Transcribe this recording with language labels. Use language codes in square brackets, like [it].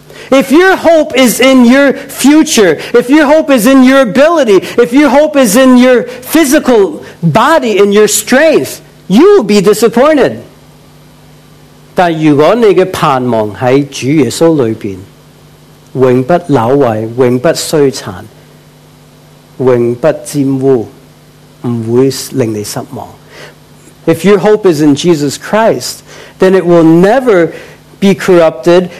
[en] If your hope is in your future, if your hope is in your ability, if your hope is in your physical body, in your strength, you will be disappointed. [zh] 但如果你的盼望在主耶稣里面，永不朽坏，永不衰残，永不玷污，不会令你失望。 [en] If your hope is in Jesus Christ, then it will never be corrupted.